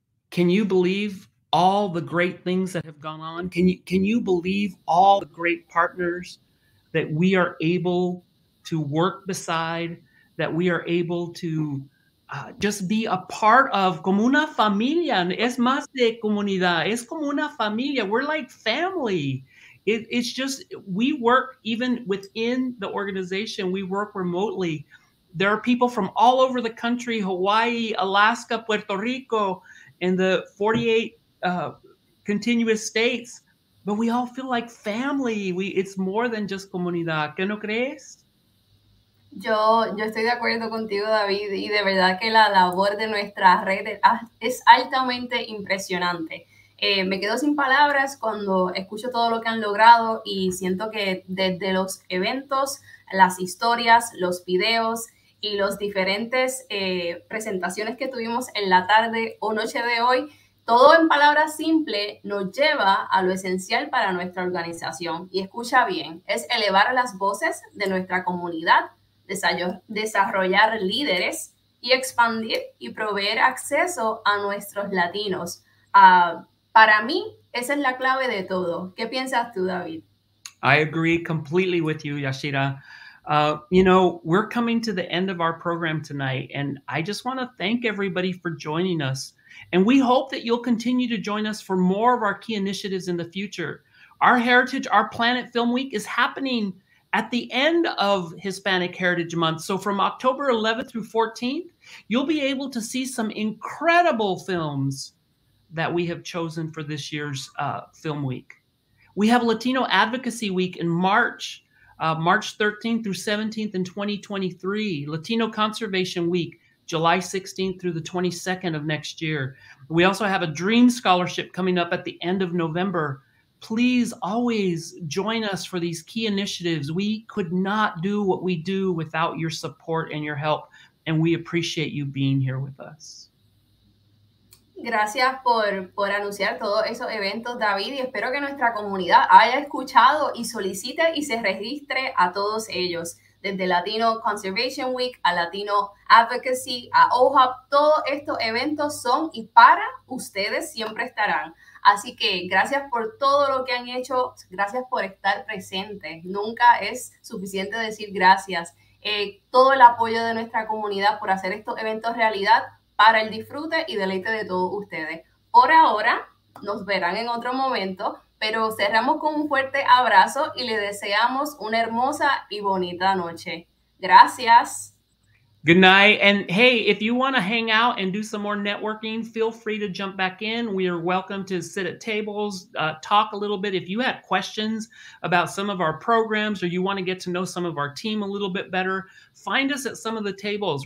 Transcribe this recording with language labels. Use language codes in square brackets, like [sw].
[en] Can you believe all the great things that have gone on? Can you believe all the great partners that we are able to work beside, that we are able to just be a part of? [es] Como una familia, es más de comunidad, es como una familia. [en] We're like family. It's just, we work even within the organization, we work remotely. There are people from all over the country, Hawaii, Alaska, Puerto Rico, in the 48 continuous states, but we all feel like family. It's more than just comunidad. [es] ¿Qué no crees? Yo estoy de acuerdo contigo, David, y de verdad que la labor de nuestra red es altamente impresionante. Me quedo sin palabras cuando escucho todo lo que han logrado y siento que desde los eventos, las historias, los videos, y las diferentes presentaciones que tuvimos en la tarde o noche de hoy, todo en palabras simples nos lleva a lo esencial para nuestra organización. Y escucha bien, es elevar las voces de nuestra comunidad, desarrollar líderes y expandir y proveer acceso a nuestros latinos. Para mí, esa es la clave de todo. ¿Qué piensas tú, David? [en] I agree completely with you, Yashira. You know, we're coming to the end of our program tonight, and I just want to thank everybody for joining us. And we hope that you'll continue to join us for more of our key initiatives in the future. Our Heritage, Our Planet Film Week is happening at the end of Hispanic Heritage Month. So from October 11th through 14th, you'll be able to see some incredible films that we have chosen for this year's Film Week. We have Latino Advocacy Week in March. March 13th through 17th in 2023, Latino Conservation Week, July 16th through the 22nd of next year. We also have a Dream Scholarship coming up at the end of November. Please always join us for these key initiatives. We could not do what we do without your support and your help, and we appreciate you being here with us. [es] Gracias por anunciar todos esos eventos, David, y espero que nuestra comunidad haya escuchado y solicite y se registre a todos ellos, desde Latino Conservation Week a Latino Advocacy a OHOP. Todos estos eventos son y para ustedes siempre estarán. Así que gracias por todo lo que han hecho, gracias por estar presente. Nunca es suficiente decir gracias. Todo el apoyo de nuestra comunidad por hacer estos eventos realidad para el disfrute y deleite de todos ustedes. Por ahora, nos verán en otro momento, pero cerramos con un fuerte abrazo y le deseamos una hermosa y bonita noche. Gracias. [en] Good night. And hey, if you want to hang out and do some more networking, feel free to jump back in. We are welcome to sit at tables, talk a little bit. If you have questions about some of our programs or you want to get to know some of our team a little bit better, find us at some of the tables.